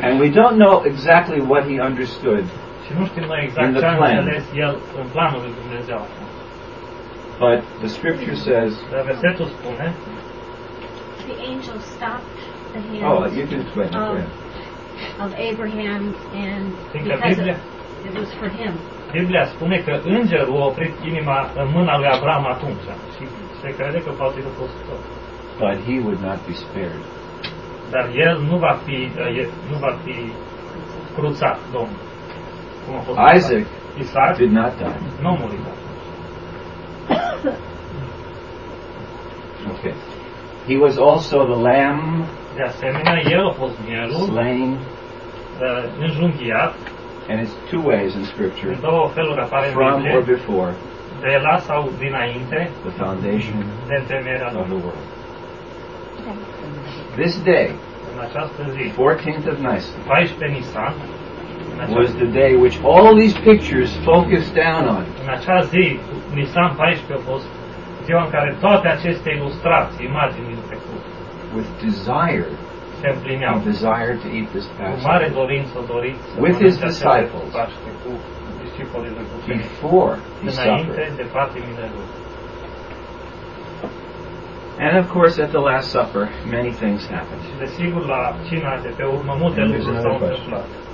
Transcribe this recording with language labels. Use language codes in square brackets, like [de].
[en] and we don't know exactly what he understood [ro] și nu știm noi exact ce a înțeles el în planul lui Dumnezeu. [en] But the scripture says [ro] dar versetul spune [en] the angel stopped the hands of Abraham, and because it was for him. [ro] Biblia spune că îngerul a oprit inima în mâna lui Avram atunci, și se crede că poate fi fost. [en] But he would not be spared. [ro] Dar el nu va fi cruțat, Domnul. Cum a fost? Isaac. [en] Isaac did not die. [ro] Nu muri. [en] Okay. He was also the lamb. [ro] De asemenea, el a fost mielul [en] slain, [ro] înjunghiat, [en] and it's two ways in scripture, [ro] două feluri apare [en] from [ro] în Biblie, [en] or before, [ro] de la sau dinainte, [en] the foundation [ro] de întemeierea [en] of the world. This day, [ro] în această zi, [en] 14th of Nisan, [ro] 14 Nisan, [en] was the day which all these pictures focused down on. [ro] În acea zi, Nisan 14, a fost ziua în care toate aceste ilustrații, imagini, [en] with desire, [ro] se împlineau, [en] desire to eat this Passover, [ro] cu mare dorință, doriți, [en] with his disciples, [ro] Paște, cu discipolii lui, [en] before he suffered, [ro] de patimile lui. [en] And of course, at the Last Supper, many things happened. [ro] Și desigur, la cina de pe urmă, multe lucruri s-au întâmplat.